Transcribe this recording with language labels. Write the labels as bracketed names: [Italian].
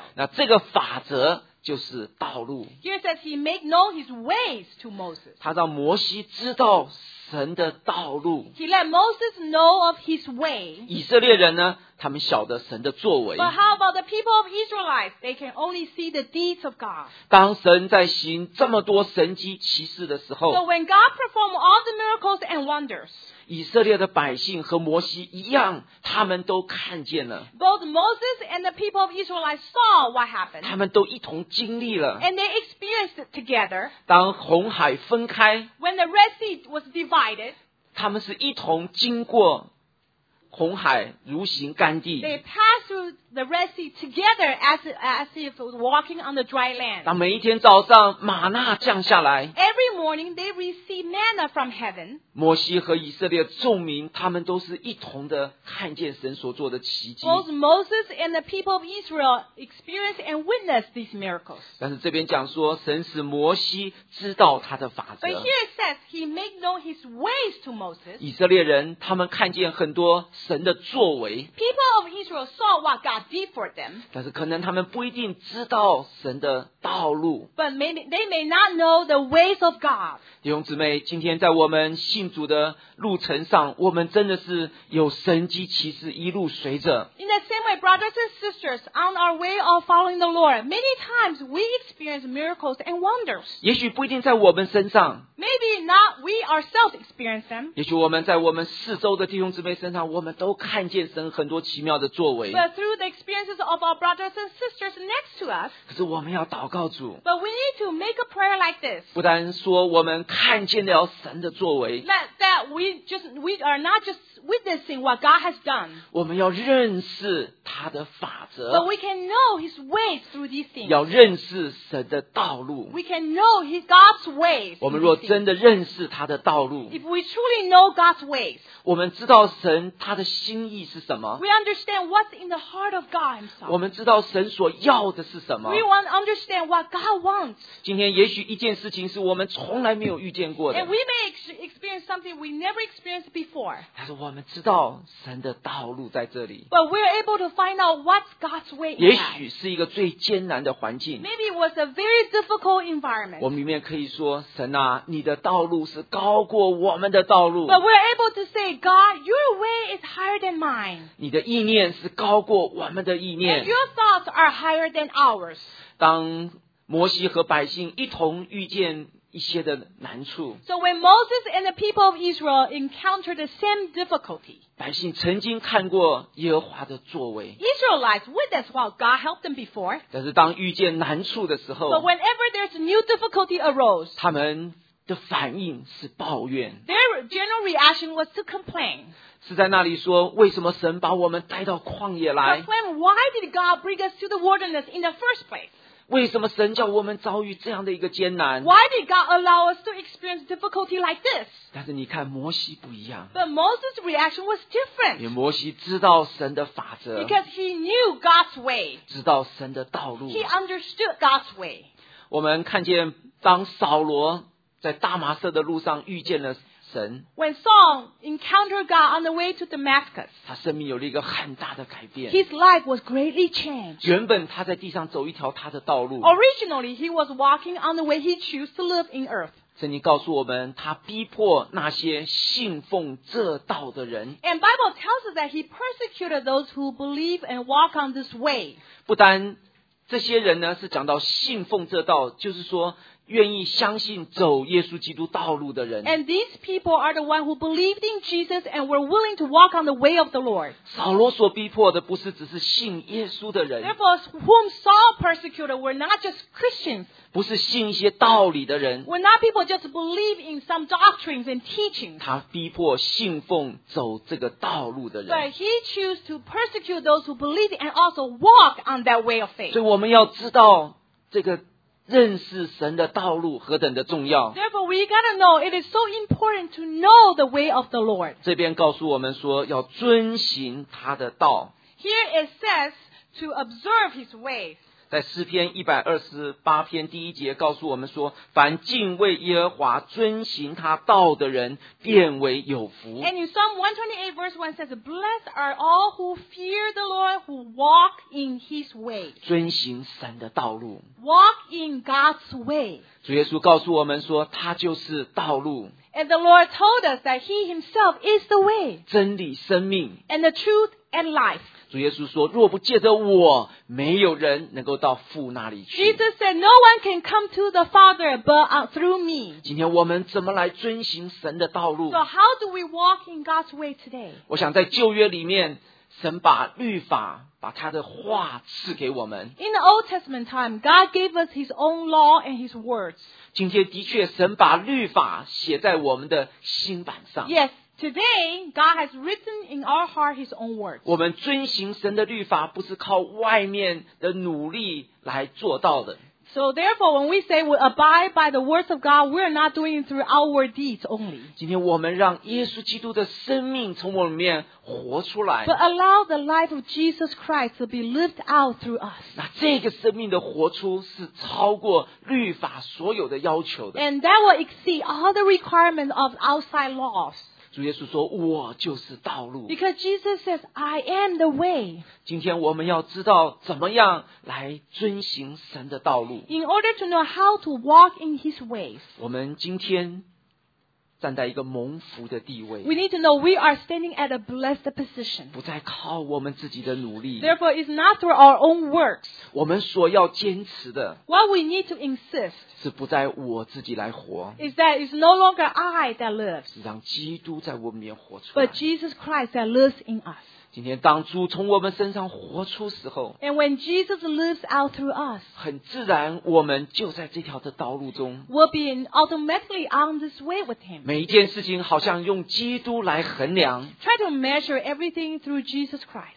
[Chinese] 那这个法则就是道路。 [English] Here says he made known his ways to Moses. [Chinese] 他让摩西知道神的道路。 [English] He let Moses know of his way. [Chinese] 以色列人呢，他们晓得神的作为。 [English] But how about the people of Israelites? They can only see the deeds of God. [Chinese] 当神在行这么多神迹奇事的时候。 [English] So when God performed all the miracles and wonders. [Chinese] 以色列的百姓和摩西一样，他们都看见了。 [English] Both Moses and the people of Israelites saw what happened. [Chinese] 他们都一同经历了。 [English] And they experienced it together. [Chinese] 当红海分开。 [English] When the Red Sea was divided. [Chinese] 他们是一同经过。红海如行干地。 [English] They passed through the Red Sea together as if walking on the dry land. [Chinese] 当每一天早上玛纳降下来。 [English] Every morning they received manna from heaven. [Chinese] 摩西和以色列众民他们都是一同的看见神所做的奇迹。 [English] Both Moses and the people of Israel experienced and witnessed these miracles. [Chinese] 但是这边讲说神使摩西知道他的法则。 [English] But here it says he made known his ways to Moses. [Chinese] 以色列人他们看见很多神的作为。 [English] People of Israel saw what God did for them. [Chinese] 但是可能他们不一定知道神的道路。 [English] But they may not know the ways of God. [Chinese] 弟兄姊妹，今天在我们信主的路程上，我们真的是有神迹奇事一路随着。 [English] In the same way, brothers and sisters, on our way of following the Lord, many times we experience miracles and wonders. [Chinese] 也许不一定在我们身上。 [English] Maybe not we ourselves experience them. [Chinese] 也许我们在我们四周的弟兄姊妹身上，我们都看见神很多奇妙的作为。 [English] But through the experiences of our brothers and sisters next to us. [Chinese] 可是我们要祷告主。 [English] But we need to make a prayer like this. [Chinese] 不单说我们看见了神的作为。 [English] That we are not just witnessing what God has done. [Chinese] 我们要认识他的法则。 [English] But we can know His ways through these things. [Chinese] 要认识神的道路。 [English] We can know God's ways. [Chinese] 我们若真的认识他的道路。 [English] If we truly know God's ways. [Chinese] 我们知道神他的心意是什么。 [English] We understand what's in the heart of God Himself. [Chinese] 我们知道神所要的是什么。 [English] We want to understand what God wants. [Chinese] 今天也许一件事情是我们从来没有遇见过的。 [English] And we may experience something we never experienced before. [Chinese] 但是我们知道神的道路在这里。 [English] But we're able to find out what's God's way. [Chinese] 也许是一个最艰难的环境。 [English] Maybe it was a very difficult environment. [Chinese] 我们里面可以说，神啊，你的道路是高过我们的道路。 [English] But we're able to say, God, your way is higher than mine. [Chinese] 你的意念是高过我们的意念。 [English] And your thoughts are higher than ours. [Chinese] 当摩西和百姓一同遇见一些的难处。 [English] So when Moses and the people of Israel encountered the same difficulty, [Chinese] 百姓曾经看过耶和华的作为。 [English] Israelites witnessed how God helped them before. [Chinese] 但是当遇见难处的时候， [English] But whenever there's a new difficulty arose, [Chinese] 他们的反应是抱怨。 [English] Their general reaction was to complain. [Chinese] 是在那里说，为什么神把我们带到旷野来？ [English] Complain, why did God bring us to the wilderness in the first place? [Chinese] 为什么神叫我们遭遇这样的一个艰难？ [English] Why did God allow us to experience difficulty like this? [Chinese] 但是你看摩西不一样。 [English] But Moses' reaction was different. [Chinese] 因为摩西知道神的法则。 [English] Because he knew God's way. [Chinese] 知道神的道路。 [English] He understood God's way. [Chinese] 我们看见当扫罗在大马色的路上遇见了神。 [English] When Saul encountered God on the way to Damascus, [Chinese] 他生命有了一个很大的改变。 [English] His life was greatly changed. [Chinese] 原本他在地上走一条他的道路。 [English] Originally, he was walking on the way he chose to live in earth. [Chinese] 圣经告诉我们，他逼迫那些信奉这道的人。 [English] And Bible tells us that he persecuted those who believe and walk on this way. [Chinese] 不单这些人呢，是讲到信奉这道，就是说愿意相信走耶稣基督道路的人。 [English] And these people are the one who believed in Jesus and were willing to walk on the way of the Lord. [Chinese] 扫罗所逼迫的不是只是信耶稣的人。 [English] Therefore, whom Saul persecuted were not just Christians. [Chinese] 不是信一些道理的人。 [English] Were not people just believe in some doctrines and teachings. [Chinese] 他逼迫信奉走这个道路的人。 [English] But he chose to persecute those who believe and also walk on that way of faith. [Chinese] 所以我们要知道这个认识神的道路何等的重要。 [English] Therefore, we gotta know it is so important to know the way of the Lord. [Chinese] 这边告诉我们说要遵行他的道。 [English] Here it says to observe his ways. [Chinese] 在诗篇128篇第一节告诉我们说，凡敬畏耶和华遵行他道的人便为有福。 [English] And in Psalm 128 verse 1 says, Blessed are all who fear the Lord, who walk in his ways. [Chinese] 遵行神的道路。 [English] Walk in God's way. [Chinese] 主耶稣告诉我们说，他就是道路。 [English] And the Lord told us that he himself is the way. [Chinese] 真理生命。 [English] And the truth and life. [Chinese] 主耶稣说，若不借着我，没有人能够到父那里去。 [English] Jesus said, no one can come to the Father but through me. [Chinese] 今天我们怎么来遵行神的道路？ [English] So how do we walk in God's way today? [Chinese] 我想在旧约里面，神把律法把他的话赐给我们。 [English] In the Old Testament time, God gave us His own law and His words. [Chinese] 今天的确，神把律法写在我们的心板上。 [English] Yes, today God has written in our heart His own words. [Chinese] 我们遵行神的律法，不是靠外面的努力来做到的。 [English] So therefore, when we say we abide by the words of God, we are not doing it through our deeds only. [Chinese] 今天我们让耶稣基督的生命从我们里面活出来。 [English] But allow the life of Jesus Christ to be lived out through us. [Chinese] 那这个生命的活出是超过律法所有的要求的。 [English] And that will exceed all the requirements of outside laws. [Chinese] 主耶稣说，我就是道路。 [English] Because Jesus says, I am the way. [Chinese] 今天我们要知道怎么样来遵行神的道路。 [English] In order to know how to walk in His ways. [Chinese] 我们今天站在一个蒙福的地位。 [English] We need to know we are standing at a blessed position. [Chinese] 不再靠我们自己的努力。 [English] Therefore, it's not through our own works. [Chinese] 我们所要坚持的。 [English] What we need to insist. [Chinese] 是不再我自己来活。 [English] Is that it's no longer I that lives. [Chinese] 是让基督在我们里面活出来。 [English] But Jesus Christ that lives in us. [Chinese] 今天当主从我们身上活出时候 [English] And when Jesus lives out through us [Chinese] 很自然我们就在这条的道路中 [English] We'll be automatically on this way with him [Chinese] 每一件事情好像用基督来衡量 [English] Try to measure everything through Jesus Christ